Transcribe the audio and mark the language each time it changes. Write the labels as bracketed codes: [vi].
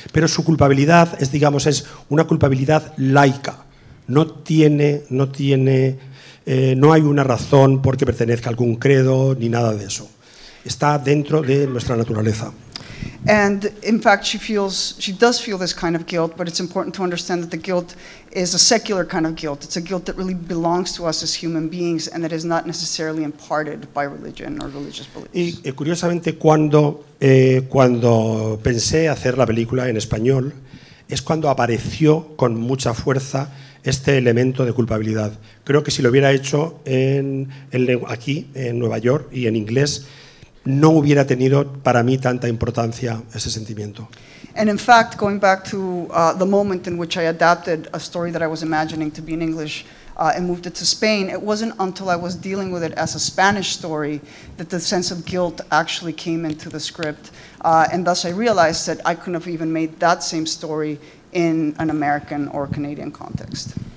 [es] Pero su culpabilidad es una culpabilidad laica. No hay una razón porque pertenezca a algún credo ni nada de eso. Está dentro de nuestra naturaleza. [en] And in fact, she does feel this kind of guilt, but it's important to understand that the guilt is a secular kind of guilt. It's a guilt that really belongs to us as human beings and that is not necessarily imparted by religion or religious beliefs. [es] Y curiosamente, cuando pensé hacer la película en español, es cuando apareció con mucha fuerza este elemento de culpabilidad. Creo que si lo hubiera hecho aquí, en Nueva York, y en inglés, no hubiera tenido para mí tanta importancia ese sentimiento. [en] And in fact, going back to the moment in which I adapted a story that I was imagining to be in English and moved it to Spain, it wasn't until I was dealing with it as a Spanish story that the sense of guilt actually came into the script. And thus I realized that I couldn't have even made that same story in an American or Canadian context.